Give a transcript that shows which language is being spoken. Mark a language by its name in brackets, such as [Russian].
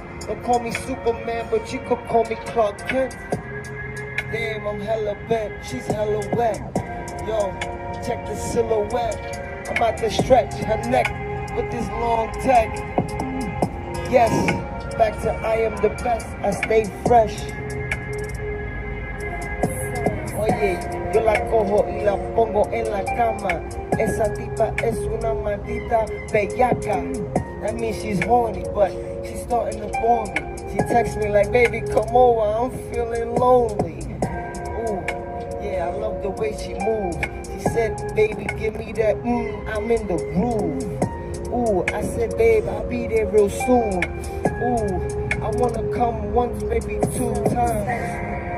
[English] Don't call me Superman, but you could call me Clark Kent. Damn, I'm hella bent, she's hella wet. Yo, check the silhouette. I'm about to stretch her neck with this long tech. Yes, back to I am the best, I stay fresh. [Spanish] Oye, yo la cojo y la pongo en la cama. Esa tipa es una maldita bellaca. [English] That means she's horny, but she's starting to bore me. She texts me like, baby, come over, I'm feeling lonely. Ooh, yeah, I love the way she moves. She said, baby, give me that, I'm in the groove. Ooh, I said, babe, I'll be there real soon. Ooh, I wanna come once, maybe two times.